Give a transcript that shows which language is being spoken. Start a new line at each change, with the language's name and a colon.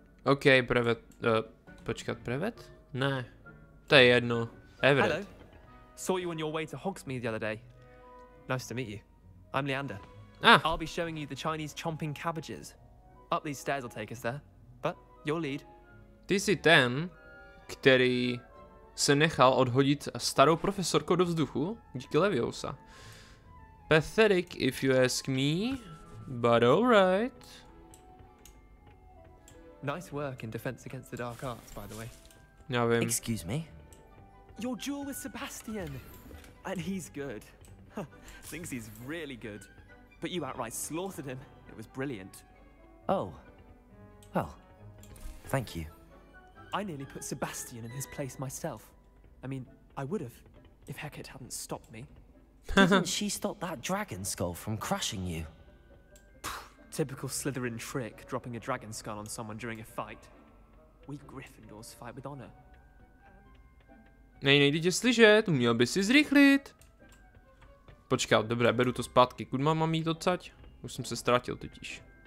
Czech: Ok, Pruitt. Počkat, Pruitt? Ne. To je jedno. Everett.
English: Hello. Saw you on your way to Hogsmeade the other day. Nice to meet you. I'm Leander. Ah. I'll be showing you the Chinese chomping cabbages. Up these stairs will take us there. Your lead.
Czech: Ty jsi ten, který se nechal odhodit starou profesorkou do vzduchu, díky Leviosa.
English: Pathetic if you ask me, but alright. Nice work in defense against the dark arts, by the way.
Czech: Já vím.
English: Excuse me? Your duel with Sebastian. And he's good. Thinks he's really good. But you outright slaughtered him. It was brilliant. Oh. Well. Thank you. I nearly put Sebastian in his place myself. I mean, I would have, if Hecate hadn't stopped me. Didn't she stop that dragon skull from crushing you? Typical Slytherin trick, dropping a dragon skull on someone during a fight. We Gryffindors fight with honor.
Czech: Nejde tě slyšet, uměl bys si zrychlit. Počkat, dobré, beru to zpátky. Kud mám jít odsaď? Už jsem se ztratil totiž.